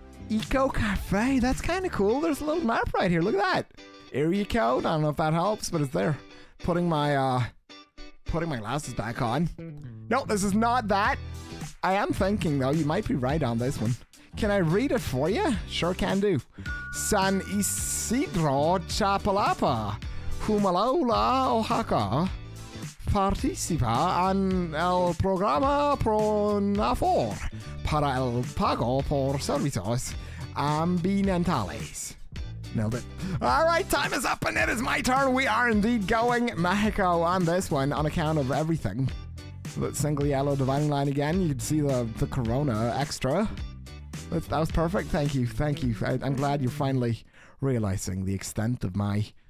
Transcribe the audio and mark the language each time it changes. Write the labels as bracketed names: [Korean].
[English] Eco Cafe. That's kind of cool. There's a little map right here. Look at that. Area code. I don't know if that helps, but it's there. Putting my glasses back on. No, this is not that. I am thinking, though, you might be right on this one. Can I read it for you? Sure can do. [Spanish] San Isidro Chapalapa, Humalola Oaxaca, participa en el programa Pronafor para el pago por servicios ambientales. [English] Nailed it. All right, time is up and it is my turn. We are indeed going Mexico on this one on account of everything. That single yellow dividing line again. You can see the corona extra. That was perfect. Thank you. I'm glad you're finally realizing the extent of my